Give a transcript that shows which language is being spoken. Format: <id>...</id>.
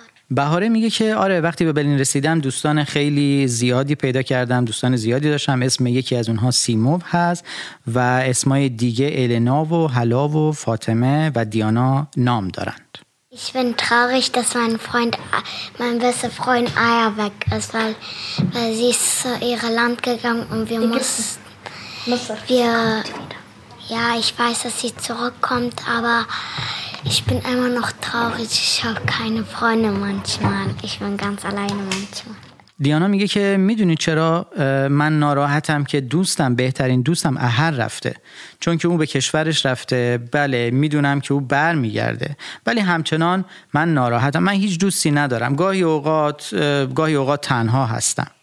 <fa>بهاره میگه که آره وقتی به برلین رسیدم دوستان خیلی زیادی پیدا کردم دوستان زیادی داشتم اسم یکی از اونها سیموف هست و اسمای دیگه النا و هلا و فاطمه و دیانا نام دارند.</fa> <de>Ich bin traurig, dass mein bester Freund Aya weg ist, weil sie ist zu ihrem Land gegangen und ich weiß, dass sie zurückkommt, aber ich bin immer noch traurig. Ich habe keine Freunde manchmal. Ich bin ganz alleine manchmal.</de> <fa>دیانا میگه که میدونی چرا من ناراحتم که دوستم بهترین دوستم اهر رفته چون که او به کشورش رفته بله میدونم که او بر میگرده ولی همچنان من ناراحتم من هیچ دوستی ندارم گاهی اوقات تنها هستم</fa>